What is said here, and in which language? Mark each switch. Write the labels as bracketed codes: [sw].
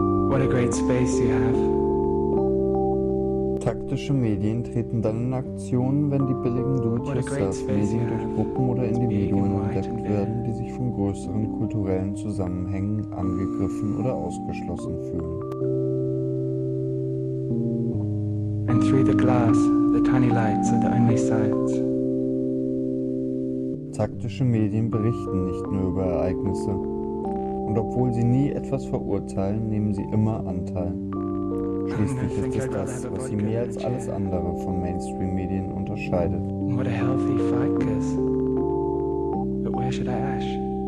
[en] What a great space you have. [de] Taktische Medien treten dann in Aktion, wenn die billigen Do-it-yourself-Medien durch Gruppen oder Individuen entdeckt werden, die sich von größeren kulturellen Zusammenhängen angegriffen oder ausgeschlossen fühlen. [en] And through the glass, the tiny lights are the only sights. [de] Taktische Medien berichten nicht nur über Ereignisse. Und obwohl sie nie etwas verurteilen, nehmen sie immer Anteil. Schließlich ist es das, was sie mehr als alles andere von Mainstream-Medien unterscheidet. [en] What a healthy focus. But where should I ash?